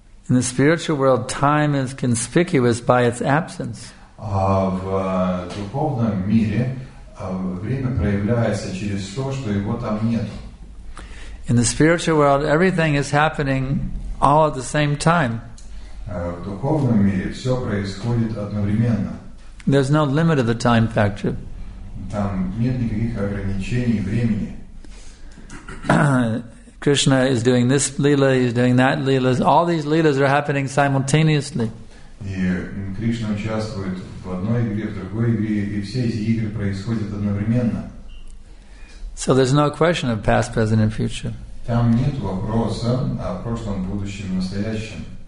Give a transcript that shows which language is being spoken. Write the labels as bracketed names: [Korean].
[English] In the spiritual world, time is conspicuous by its absence. [Russian] А в духовном мире время проявляется через то, что его там нет. [English] In the spiritual world, everything is happening all at the same time. [Russian] В духовном мире все происходит одновременно. [English] There's no limit of the time factor. [Russian] Там нет никаких ограничений времени. [English] Krishna is doing this lila, he's doing that lila. All these lilas are happening simultaneously. [Russian] Krishna участвует в одной игре, в другой игре, и все эти игры происходят одновременно. [English] So there's no question of past, present, and future. [Russian] Там нет вопроса о прошлом, будущем, настоящем.